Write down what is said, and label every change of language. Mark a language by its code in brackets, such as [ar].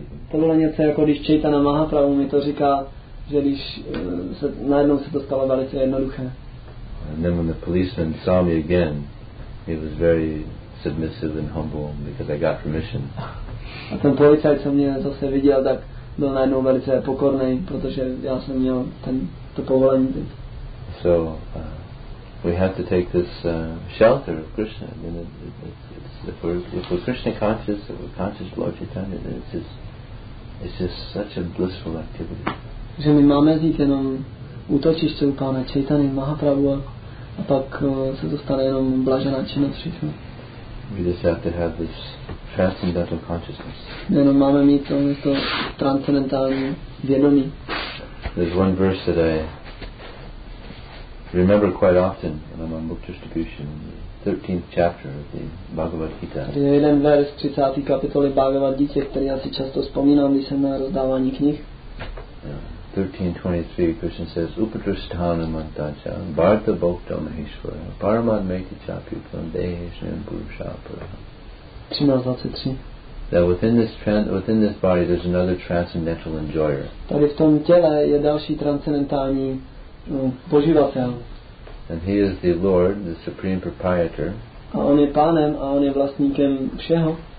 [cs] To bylo něco jako když Chaitanya Mahaprabhu mi to říká, že když se najednou se to stalo velice jednoduché. [en] And then when the policeman saw me again, he was very submissive and humble because I got permission. [cs] A ten policajt, co mě zase viděl, tak byl najednou velice pokorný, protože já jsem měl to povolení. [en] So we have to take this shelter of Krishna. I mean, if we're Krishna conscious, if we're conscious Lord Chaitanya, then it's just such a blissful activity. [cs] Že my máme zít jenom útočiště u pána Chaitany Mahaprabhu a pak se to stane jenom blažená činnost všechno. [en] We just have to have this transcendental consciousness. [cs] Jenom máme mít to transcendentální vědomí. [en] There's one verse that I remember quite often when I'm on book distribution, the 13th chapter of the Bhagavad Gita. [cs] Tady je jeden verš 30. kapitoly Bhagavad Gita, který já si často vzpomínám, když jsem na rozdávání knih. [sa] 1323 [en] Krishna says [sa] upadrishthana mantacha bartha bhokta maheshwara paramad maiti chapyutam deheshnam purushapura. 1323 [en] that within this body there's another transcendental enjoyer. [cs] Tady v tom těle je další transcendentální poživatel. [en] And he is the Lord, the supreme proprietor. [cs] A on je pánem a on je vlastníkem všeho.